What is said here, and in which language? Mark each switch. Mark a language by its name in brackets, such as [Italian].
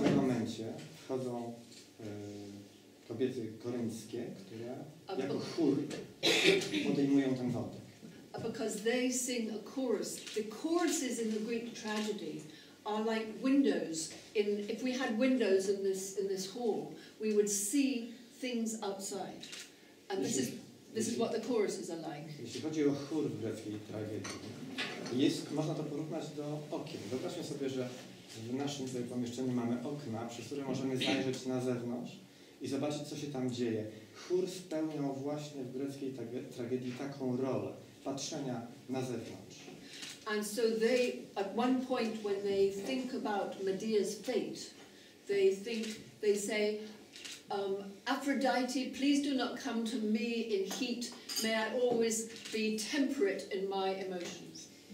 [Polish] W tym momencie wchodzą kobiety koryńskie, które jako chór podejmują ten wątek. [English] Because they sing a chorus. The choruses in the Greek tragedy are like windows. If we had windows in this hall, we would see things outside. And this is what the choruses are like. [Polish] Jeśli chodzi o chór w greckiej tragedii, jest, można to porównać do okien. Wyobraźmy sobie, że w naszym tutaj pomieszczeniu mamy okna, przez które możemy zajrzeć na zewnątrz i zobaczyć, co się tam dzieje. Chór spełniał właśnie w greckiej tragedii taką rolę patrzenia na zewnątrz. [English] And so they, at one point, when they think about Medea's fate, they say, Aphrodite, please do not come to me in heat. May I always be temperate in my emotions.